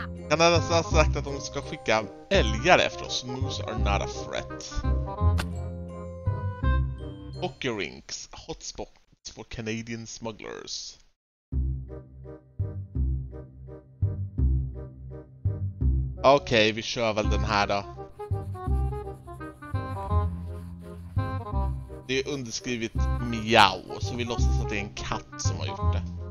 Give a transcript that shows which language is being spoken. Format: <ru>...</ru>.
<sv>Kanadensare har sagt att de ska skicka älgar efter oss.</sv> <en>Moose are not a threat. Hockey rinks, hotspots for Canadian smugglers.</en> <sv>Okej, vi kör väl den här då. Det är underskrivet miau, så vi låtsas att det är en katt som har gjort det.</sv>